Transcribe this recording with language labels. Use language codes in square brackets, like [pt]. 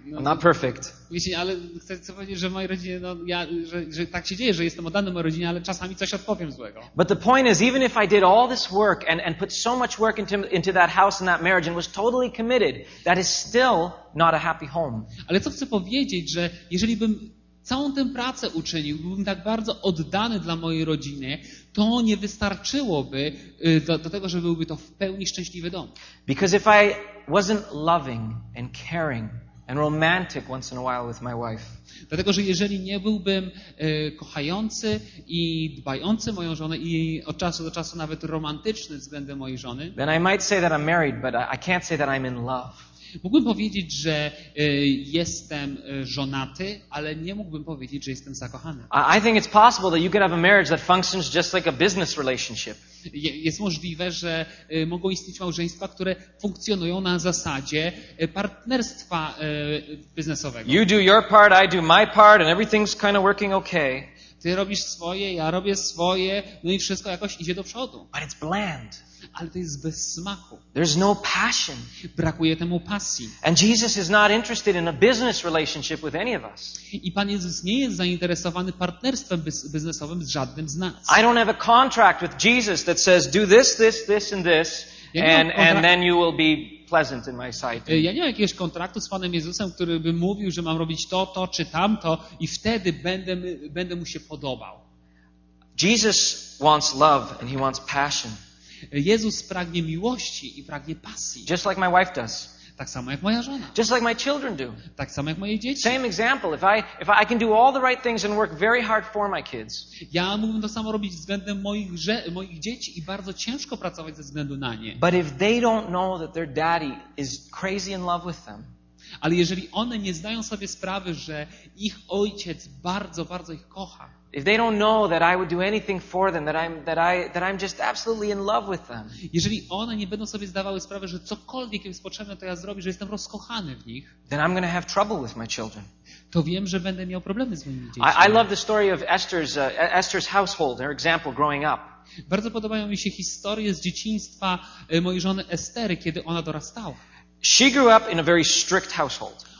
[en] I'm not perfect. [pl] Wiecie, ale chcę powiedzieć, że moja rodzina, no ja, że tak się dzieje, że jestem oddany mojej rodzinie, ale czasami coś odpowiem złego. [en] But the point is, even if I did all this work and put so much work into that house and that marriage and was totally committed, that is still not a happy home. [pl] Ale co chcę powiedzieć, że jeżeli bym całą tę pracę uczynił, byłbym tak bardzo oddany dla mojej rodziny, to nie wystarczyłoby do tego, że byłby to w pełni szczęśliwy dom. [en] Because if I wasn't loving and caring and romantic once in a while with my wife. [pl] Dlatego, że jeżeli nie byłbym kochający i dbający moją żonę i od czasu do czasu nawet romantyczny względem mojej żony, [en] then I might say that I'm married, but I can't say that I'm in love. [pl] Mógłbym powiedzieć, że jestem żonaty, ale nie mógłbym powiedzieć, że jestem zakochany. [en] I think it's possible that you could have a marriage that functions just like a business relationship. [pl] Jest możliwe, że mogą istnieć małżeństwa, które funkcjonują na zasadzie partnerstwa biznesowego. [en] You do your part, I do my part, and everything's kind of working okay. [pl] Ty robisz swoje, ja robię swoje, no i wszystko jakoś idzie do przodu. [en] But it's bland. [pl] Ale to jest bez smaku. [en] There's no passion. [pl] Brakuje temu pasji. [en] And Jesus is not interested in a business relationship with any of us. [pl] I Pan Jezus nie jest zainteresowany partnerstwem biznesowym z żadnym z nas. [en] I don't have a contract with Jesus that says do this and this and then you will be pleasant in my sight. [pl] Ja nie mam jakiegoś kontraktu z Panem Jezusem, który by mówił, że mam robić to czy tamto i wtedy będę mu się podobał. [en] Jesus wants love and he wants passion. [pl] Jezus pragnie miłości i pragnie pasji. [en] Just like my wife does. [pl] Tak samo jak moja żona. [en] Just like my children do. [pl] Tak samo jak moje dzieci. [en] Same example. If I can do all the right things and work very hard for my kids. [pl] Ja mógłbym to samo robić względem moich dzieci i bardzo ciężko pracować ze względu na nie. [en] But if they don't know that their daddy is crazy in love with them. [pl] Ale jeżeli one nie zdają sobie sprawy, że ich ojciec bardzo, bardzo ich kocha. [en] If they don't know that I would do anything for them, that I'm just absolutely in love with them. [pl] Jeżeli one nie będą sobie zdawały sprawy, że cokolwiek jest potrzebne, to ja zrobię, że jestem rozkochany w nich. [en] Then I'm going to have trouble with my children. [pl] To wiem, że będę miał problemy z moimi dziećmi. [en] I love the story of Esther's household, her example growing up. [pl] Bardzo podobają mi się historie z dzieciństwa mojej żony Estery, kiedy ona dorastała. [en] She grew up in a very strict household.